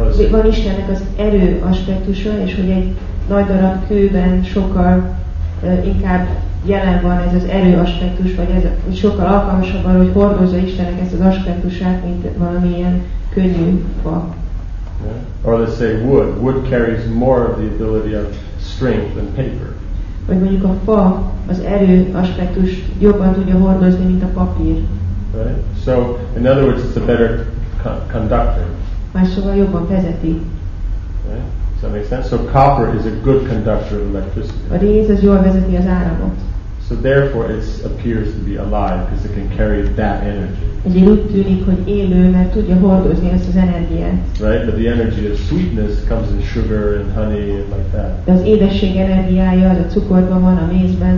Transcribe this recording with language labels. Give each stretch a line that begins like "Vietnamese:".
Hungarian: Van Istennek az erő aspektusa, és hogy egy nagy darab kőben sokkal inkább jelen van ez az erő aspektus, vagy ez sokkal alkalmasabb arra, hogy hordozza Istennek ezt az aspektusát, mint valamilyen könnyű fa.
English: Yeah. Or let's say wood. Wood carries more of the ability of strength than paper.
Hungarian: Vagy mondjuk a fa az erő aspektus jobban tudja hordozni, mint a papír.
English: Right. So, in other words, it's a better conductor.
Hungarian: Más szóval jobban vezeti.
English: Does that make sense? So copper is a good conductor of electricity.
Hungarian: A réz az jól vezeti az áramot.
English: So therefore it appears to be alive because it can carry that energy.
Hungarian: Ezért úgy tűnik, hogy élő, mert tudja hordozni ezt az energiát.
English: Right, but the energy of sweetness comes in sugar and honey and like that.
Hungarian: De az édesség energiája az a cukorban van, a mézben.